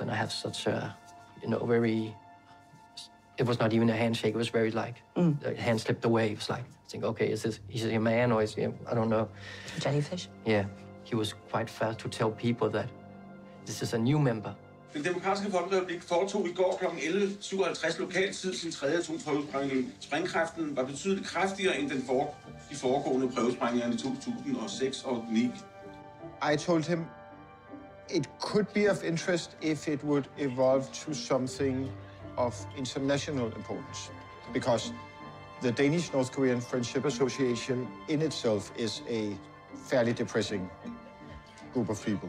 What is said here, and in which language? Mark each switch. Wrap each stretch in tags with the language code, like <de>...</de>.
<en>And I have such a, you know, very, it was not even a handshake. It was very like, the hand slipped away. It was like, I think, okay, is this a man or is he, I don't know. A jellyfish? Yeah. He was quite fast to tell people that this is a new member.</en> <da>Den demokratiske folkerepublik foretog i går kl. 11.57 lokal tid sin tredje atomprøvesprængning. Sprængkraften var betydeligt kraftigere end de foregående prøvesprængninger i 2006 og 2009.</da> <en>I told him it could be of interest if it would evolve to something of international importance, because the Danish-North Korean Friendship Association in itself is a fairly depressing group of people.</en>